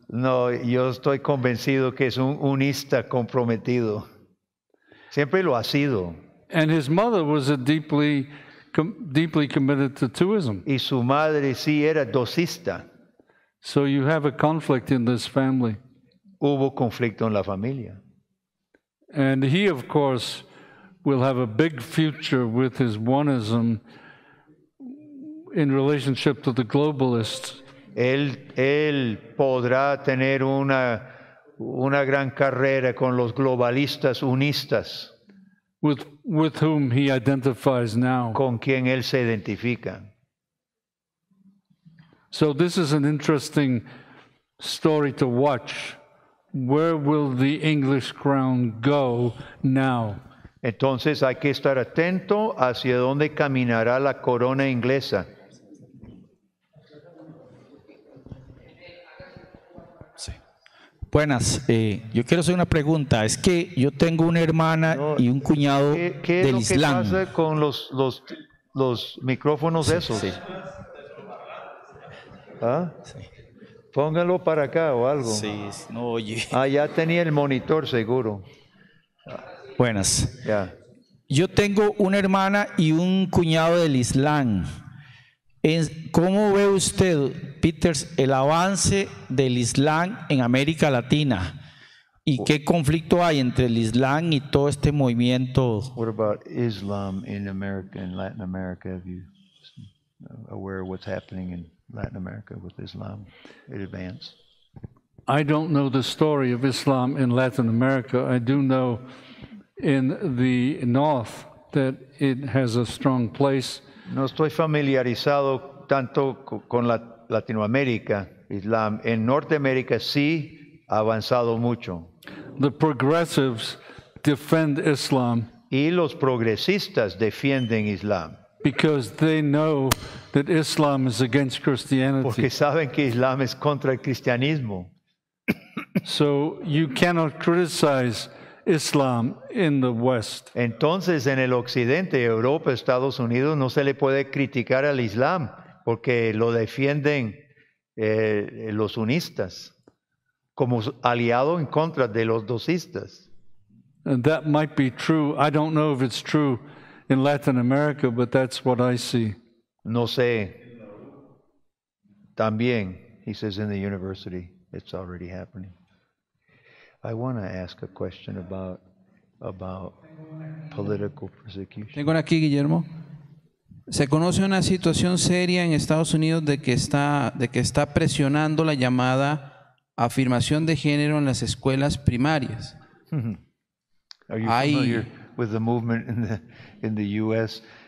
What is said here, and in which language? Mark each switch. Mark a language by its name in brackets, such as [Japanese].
[Spanish] No, yo estoy convencido que es un unista comprometido. Siempre lo ha sido. [English] And his mother was a deeply committed to twoism. [Spanish] Y su madre sí era docista. [English] So you have a conflict in this family. [Spanish] Hubo conflicto en la familia. [English] And he, of course, will have a big future with his oneism in relationship to the globalists. [Spanish] Él podrá tener una gran carrera con los globalistas unistas. [English] With whom he identifies now. [Spanish] Con quien él se identifica. [English] So this is an interesting story to watch. Where will the English crown go now? [Spanish] Entonces hay que estar atento hacia dónde caminará la corona inglesa. Buenas, yo quiero hacer una pregunta. Es que yo tengo una hermana y un cuñado del Islam. ¿Qué pasa con los micrófonos esos? Sí. ¿Ah? Sí. Póngalo para acá o algo. Sí, no oye. Ah, ya tenía el monitor seguro. Buenas. Ya. Yo tengo una hermana y un cuñado del Islam. ¿Cómo ve usted, Peters, el avance del Islam en América Latina? ¿Y qué conflicto hay entre el Islam y todo este movimiento? [English] What about Islam in America, in Latin America? Are you aware of what's happening in Latin America with Islam in advance? I don't know the story of Islam in Latin America. I do know in the north that it has a strong place. [Spanish] No estoy familiarizado tanto con Latinoamérica, Islam. En Norteamérica sí ha avanzado mucho. [English] The progressives defend Islam. [Spanish] Y los progresistas defienden Islam. [English] Because they know that Islam is against Christianity. [Spanish] Porque saben que Islam es contra el cristianismo. [English] So you cannot criticize Islam in the West. [Spanish] Entonces, en el occidente, Europa, Estados Unidos, no se le puede criticar al Islam porque lo defienden los sunistas como aliado en contra de los dosistas. [English] And that might be true. I don't know if it's true in Latin America, but that's what I see. [Spanish] No sé. También, [English] he says, in the university, it's already happening. I want to ask a question about political persecution. [Spanish] Tengo aquí, Guillermo. Se conoce una situación seria en Estados Unidos de que está presionando la llamada afirmación de género en las escuelas primarias. [English] Are you familiar with the movement in the U.S.